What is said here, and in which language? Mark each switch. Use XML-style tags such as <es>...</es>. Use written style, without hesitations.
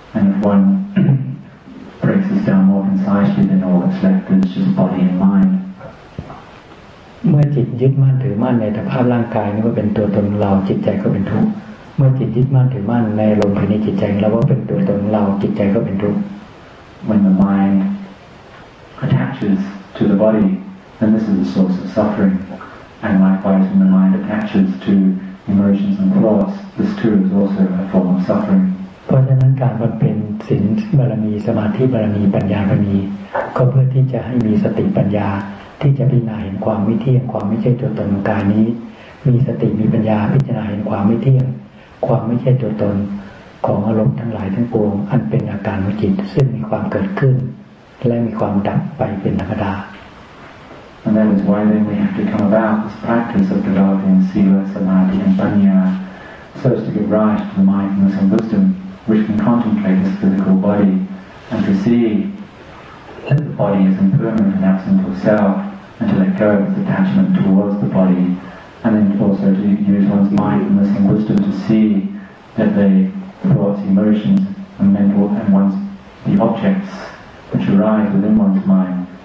<en>And if one breaks this down more concisely, then all that's left is just body and mind.</en> <th>เมื่อจิตยึดมั่นถือมั่นในสภาพร่างกายนี่ก็เป็นตัวตนเราจิตใจก็เป็นทุกข์เมื่อจิตยึดมั่นถือมั่นในลมหายใจจิตใจเราก็เป็นตัวตนเราจิตใจก็เป็นทุกข์</th> <en>When the mind attaches to the body, then this is a source of suffering. And likewise, when the mind attaches to emotions and thoughts, this too is also a form of suffering.</en> <th>เพราะฉะนั้นการบำเพ็ญศีลบารมีสมาธิบารมีปัญญาบารมีก็เพื่อที่จะให้มีสติปัญญาที่จะพิจารณาเห็นความไม่เที่ยงความไม่ใช่ตัวตนของกายนี้มีสติมีปัญญาพิจารณาเห็นความไม่เที่ยงความไม่ใช่ตัวตนของอารมณ์ทั้งหลายทั้งปวงอันเป็นอาการของจิตซึ่งมีความเกิดขึ้นและมีความดับไปเป็นธรรมดา</th> <en>And that is why then we have to come about this practice of developing sila, samadhi, and panya, so as to give rise to the mindfulness and wisdom which can contemplate this physical body and to see that the body is impermanent and absent of self, and to let go of its attachment towards the body, and then also to use one's mindfulness and wisdom to see that the thoughts, emotions, and mental and one's the objects which arise within one's mind.</en>